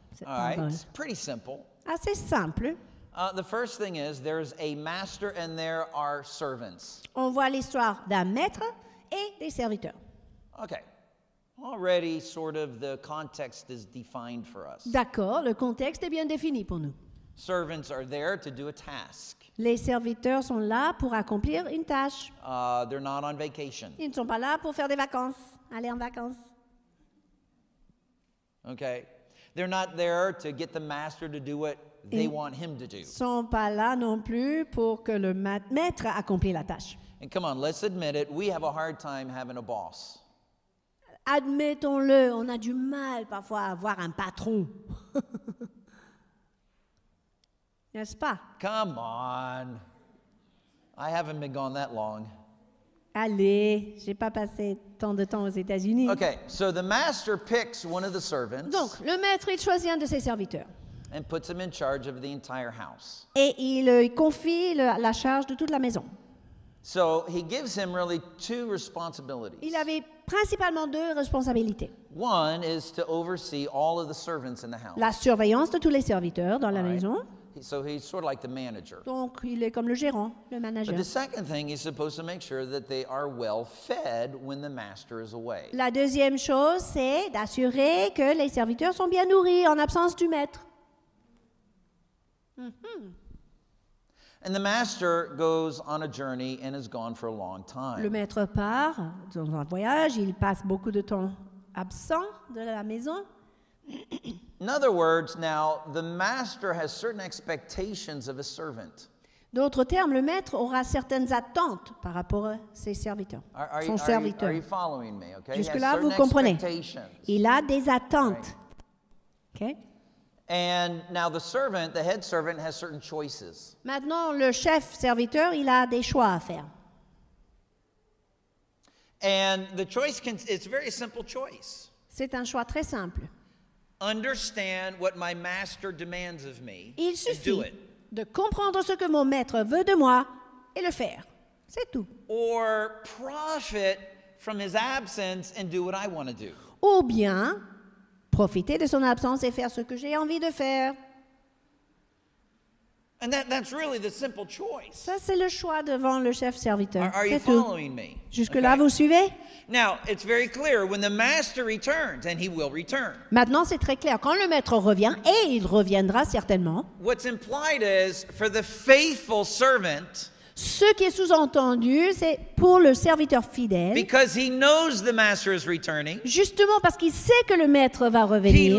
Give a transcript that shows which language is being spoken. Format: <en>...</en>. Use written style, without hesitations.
<en>All right, it's pretty simple.</en> <fr>Assez simple.</fr> <en>The first thing is, there's a master and there are servants.</en> <fr>On voit l'histoire d'un maître et des serviteurs.</fr> <en>Okay. Already, sort of, the context is defined for us.</en> <fr>D'accord, le contexte est bien défini pour nous.</fr> <en>Servants are there to do a task.</en> <fr>Les serviteurs sont là pour accomplir une tâche.</fr> <en>They're not on vacation.</en> <fr>Ils ne sont pas là pour faire des vacances, aller en vacances.</fr> <en>Okay. They're not there to get the master to do what they want him to do.</en> <fr>Ils sont pas là non plus pour que le maître accomplisse la tâche.</fr> <en>And come on, let's admit it, we have a hard time having a boss.</en> <fr>Admettons-le, on a du mal parfois à avoir un patron. N'est-ce pas?</fr> <en>Come on. I haven't been gone that long.</en> <fr>Allez, j'ai pas passé tant de temps aux États-Unis.</fr> <en>Okay, so the master picks one of the servants.</en> <fr>Donc, le maître il choisit un de ses serviteurs.</fr> <en>And puts him in charge of the entire house.</en> <fr>Et il confie la charge de toute la maison.</fr> <en>So he gives him really two responsibilities.</en> <fr>Il avait principalement deux responsabilités.</fr> <en>One is to oversee all of the servants in the house.</en> <fr>La surveillance de tous les serviteurs dans la maison.</fr> <en>So he's sort of like the manager.</en> <fr>Donc, il est comme le gérant, le manager.</fr> <en>But the second thing, he's supposed to make sure that they are well fed when the master is away.</en> <fr>La deuxième chose, c'est d'assurer que les serviteurs sont bien nourris en absence du maître. Mm-hmm.</fr> <en>And the master goes on a journey and is gone for a long time.</en> <fr>Le maître part dans un voyage, il passe beaucoup de temps absent de la maison.</fr> <en>In other words, now the master has certain expectations of a servant.</en> <fr>D'autres termes, le maître aura certaines attentes par rapport à ses serviteurs, son serviteur. Jusque-là, vous comprenez. Il a des attentes. Okay.</fr> <en>And now the servant, the head servant, has certain choices.</en> <fr>Maintenant, le chef serviteur, il a des choix à faire.</fr> <en>And the choice can, it's a very simple choice.</en> <fr>C'est un choix très simple.</fr> <en>Understand what my master demands of me.</en> <fr>Il suffit de comprendre ce que mon maître veut de moi et le faire. C'est tout.</fr> <en>Or profit from his absence and do what I want to do.</en> <fr>Ou bien profiter de son absence et faire ce que j'ai envie de faire.</fr> <en>And that's really the simple choice.</en> <fr>Ça, c'est le choix devant le chef serviteur.</fr> <en>Are</en> <fr>c'est</fr> <en>you</en> <fr>tout.</fr> <en>Following me?</en> <fr>Jusque-là, okay. Vous suivez?</fr> <en>Now, it's very clear when the master returns, and he will return.</en> <fr>Maintenant, c'est très clair. Quand le maître revient, et il reviendra certainement,</fr> <en>what's implied is for the faithful servant.</en> <fr>Ce qui est sous-entendu, c'est pour le serviteur fidèle.</fr> <en>Because he knows the master is returning.</en> <fr>Justement parce qu'il sait que le maître va revenir.</fr>